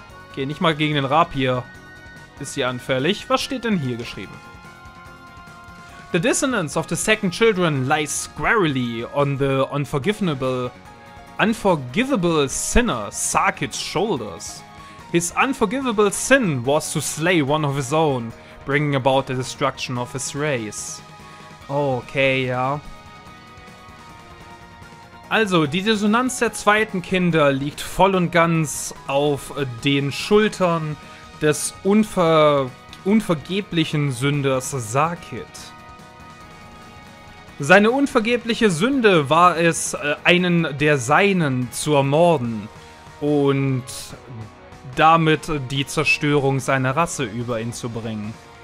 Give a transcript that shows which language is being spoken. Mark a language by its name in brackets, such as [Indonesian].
[German] Okay, nicht mal gegen den Rapier ist sie anfällig. Was steht denn hier geschrieben? [English] The dissonance of the second children lies squarely on the unforgivable sinner Sarkid's shoulders. His unforgivable sin was to slay one of his own, bringing about the destruction of his race. [German] Okay, ja. Also, die Dissonanz der zweiten Kinder liegt voll und ganz auf den Schultern des unvergeblichen Sünders Sarkid. Seine unvergebliche Sünde war es, einen der Seinen zu ermorden und damit die Zerstörung seiner Rasse über ihn zu bringen.